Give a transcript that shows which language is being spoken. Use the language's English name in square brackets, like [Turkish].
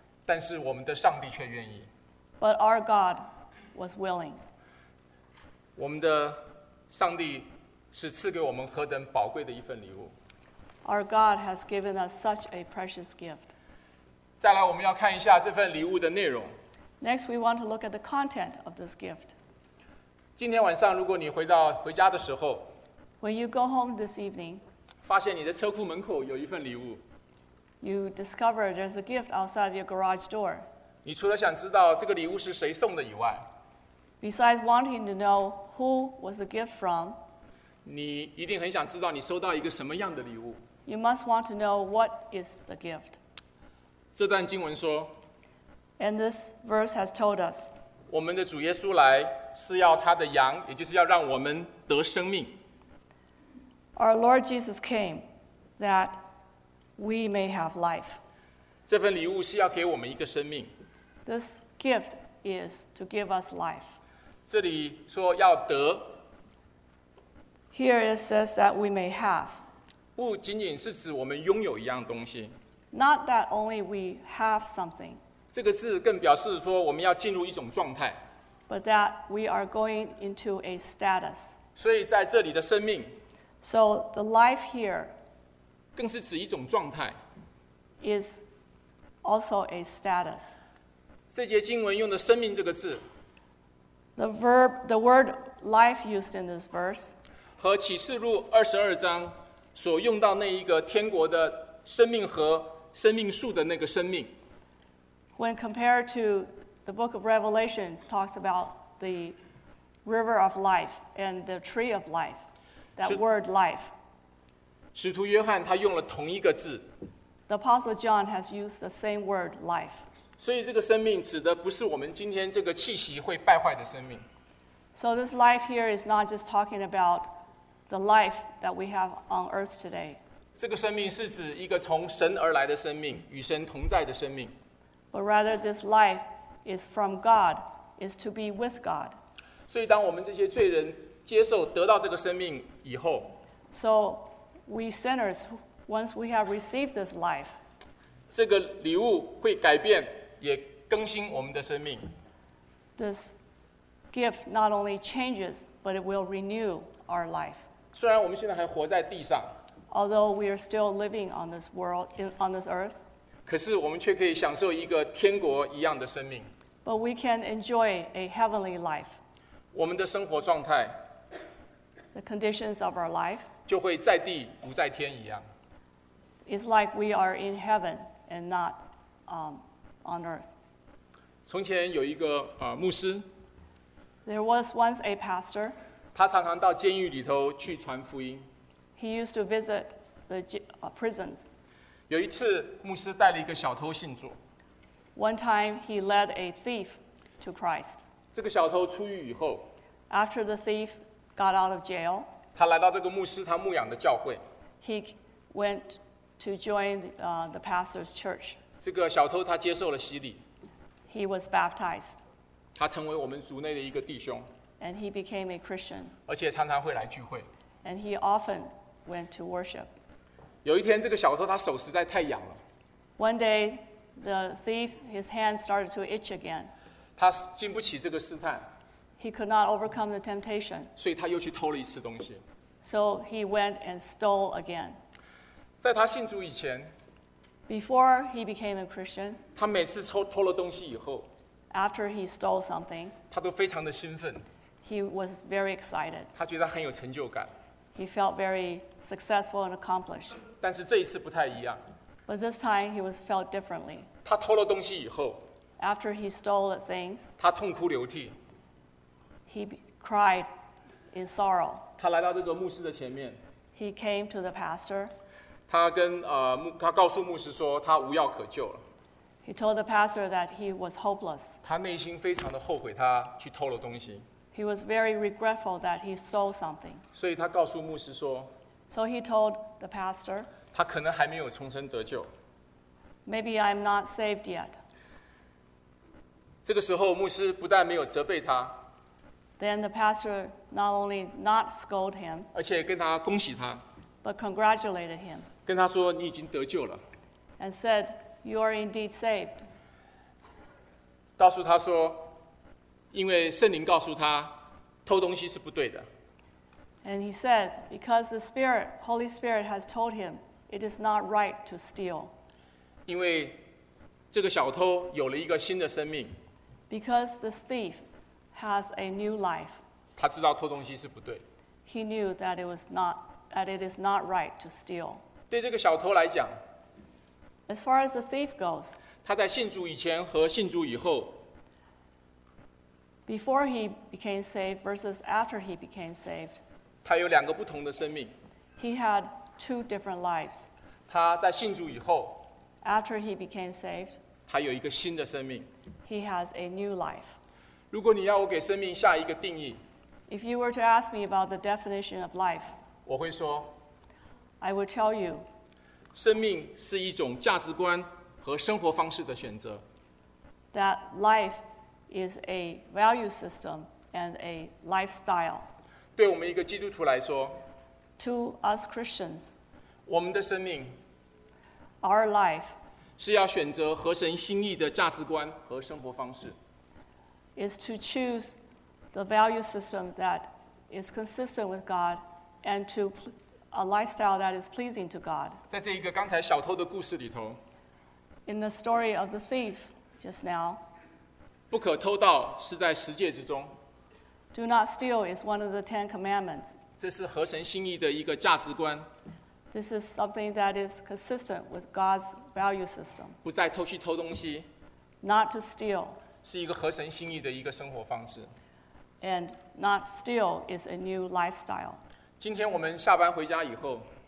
[Chinese] 但是我们的上帝却愿意 [English] But our God was willing. [Chinese] 我们的上帝是赐给我们何等宝贵的一份礼物 [English] Our God has given us such a precious gift. [Chinese] 再来，我们要看一下这份礼物的内容。 [English] Next, we want to look at the content of this gift. [Chinese] 今天晚上，如果你回家的时候 [English] ，When you go home this evening, [Chinese] 发现你的车库门口有一份礼物 [English] ，You discover there's a gift outside of your garage door. [Chinese] 你除了想知道这个礼物是谁送的以外 [English] ，Besides wanting to know who was the gift from, [Chinese] 你一定很想知道你收到一个什么样的礼物。 [English] You must want to know what is the gift. [Chinese] 这段经文说 [English] And this verse has told us [Chinese] 我们的主耶稣来是要他的羊也就是要让我们得生命 [English] Our Lord Jesus came that we may have life [Chinese] 这份礼物是要给我们一个生命 [English] This gift is to give us life [Chinese] 这里说要得。 [English] Here it says that we may have. [Chinese] 不仅仅是指我们拥有一样东西。 [English] Not that only we have something. [Chinese] 这个字更表示说我们要进入一种状态。 [English] But that we are going into a status. [Chinese] 所以在这里的生命。 [English] So the life here. [Chinese] 更是指一种状态。 [English] Is also a status. [Chinese] 这节经文用的生命这个字。 [English] The verb, the word life used in this verse. [Chinese] 和启示录二十二章所用到那一个天国的生命和生命树的那个生命。 [English] When compared to the book of Revelation, talks about the river of life and the tree of life, that word life. [Chinese] 使徒约翰他用了同一个字。 [English] The Apostle John has used the same word life. [Chinese] 所以这个生命指的不是我们今天这个气息会败坏的生命。 [English] So this life here is not just talking about the life that we have on earth today. [Chinese] 这个生命是指一个从神而来的生命，与神同在的生命。 [English] But rather this life is from God, is to be with God. [Chinese] 所以当我们这些罪人接受得到这个生命以后， [English] So we sinners, once we have received this life, [Chinese] 这个礼物会改变，也更新我们的生命。 [English] This gift not only changes, but it will renew our life. [Chinese] 虽然我们现在还活在地上， [English] although we are still living on this world, on this earth, [Chinese] 可是我们却可以享受一个天国一样的生命。 [English] But we can enjoy a heavenly life. [Chinese] 我们的生活状态， [English] the conditions of our life, [Chinese] 就会在地不在天一样。 [English] It's like we are in heaven and not on earth. [Chinese] 从前有一个牧师。 [English] There was once a pastor. [Chinese] 他常常到监狱里头去传福音。 [English] He used to visit the prisons. [Chinese] 有一次，牧师带了一个小偷信主。 [English] One time he led a thief to Christ. [Chinese] 这个小偷出狱以后。 [English] After the thief got out of jail. [Chinese] 他来到这个牧师他牧养的教会。 [English] He went to join the pastor's church. [Chinese] 这个小偷他接受了洗礼。 [English] He was baptized. [Chinese] 他成为我们族内的一个弟兄。 [English] And he became a Christian. [Chinese] 而且常常会来聚会。 [English] And he often went to worship. [Chinese] 有一天这个小偷他手实在太痒了。 [English] One day, the thief, his hand started to itch again. [Chinese] 他经不起这个试探。 [English] He could not overcome the temptation. [Chinese] 所以他又去偷了一次东西。 [English] So he went and stole again. [Chinese] 在他信主以前， [English] Before he became a Christian, [Chinese] 他每次偷了东西以后， [English] After he stole something, [Chinese] 他都非常的兴奋， [English] He was very excited. [Chinese] 他觉得很有成就感， [English] He felt very successful and accomplished. [Chinese] 但是这一次不太一样， [English] But this time he was felt differently. [Chinese] 他偷了东西以后， [English] After he stole the things, [Chinese] 他痛哭流涕， [English] He cried in sorrow. [Chinese] 他来到这个牧师的前面， [English] He came to the pastor. [Chinese] 他告诉牧师说他无药可救了。 [English] He told the pastor that he was hopeless. [Chinese] 他内心非常的后悔他去偷了东西。 [English] He was very regretful that he stole something. [Chinese] 所以他告诉牧师说， [English] So he told the pastor, [Chinese] 他可能还没有重生得救。 [English] Maybe I'm not saved yet. [Chinese] 这个时候牧师不但没有责备他， [English] Then the pastor not only not scold him, [Chinese] 而且跟他恭喜他， [English] But congratulated him. [Chinese] 跟他说你已经得救了。 [English] And said, you are indeed saved. [Chinese] 告诉他说，因为圣灵告诉他，偷东西是不对的。 [English] And he said, because the Spirit, Holy Spirit has told him, it is not right to steal. [Chinese] 因为这个小偷有了一个新的生命。 [English] Because this thief has a new life. [Chinese] 他知道偷东西是不对。 [English] He knew that it was not right. That it is not right to steal. [Chinese] 对这个小偷来讲， [English] As far as the thief goes, [Chinese] 他在信主以前和信主以后， [English] Before he became saved versus after he became saved, [Chinese] 他有两个不同的生命。 [English] He had two different lives. [Chinese] 他在信主以后， [English] After he became saved, [Chinese] 他有一个新的生命。 [English] He has a new life. [Chinese] 如果你要我给生命下一个定义， [English] If you were to ask me about the definition of life, [Chinese] 我会说， [English] I will tell you, [Chinese] 生命是一种价值观和生活方式的选择。 [English] That life is a value system and a lifestyle. [Chinese] 对我们一个基督徒来说 [English] ，To us Christians， [Chinese] 我们的生命 [English] ，Our life， [Chinese] 是要选择合神心意的价值观和生活方式。 [English] Is to choose the value system that is consistent with God and to a lifestyle that is pleasing to God. [Chinese] 在这一个刚才小偷的故事里头 [English] ，In the story of the thief just now， [Chinese] 不可偷盗是在十诫之中。 [English] Do not steal is one of the Ten Commandments. [Chinese] 这是合神心意的一个价值观。 [English] This is something that is consistent with God's value system. [Chinese] 不再偷去偷东西。 [English] Not to steal. [Chinese] 是一个合神心意的一个生活方式。 [English] And not steal is a new lifestyle. [Chinese] 今天我们下班回家以后。